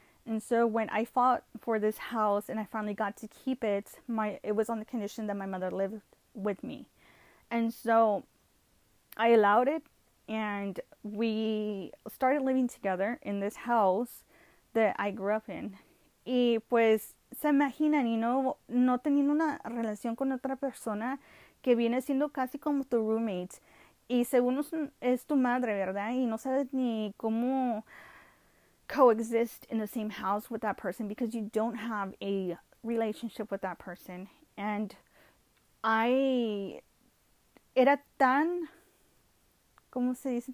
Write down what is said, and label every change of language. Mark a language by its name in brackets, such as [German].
[English] And so when I fought for this house and I finally got to keep it, it was on the condition that my mother lived with me. And so I allowed it and we started living together in this house that I grew up in. [Spanish] Y pues se imaginan, no teniendo una relación con otra persona que viene siendo casi como tu roommate. Y según es tu madre, ¿verdad? Y no sabes ni cómo [English] coexist in the same house with that person because you don't have a relationship with that person. And I [Spanish] era tan, ¿cómo se dice?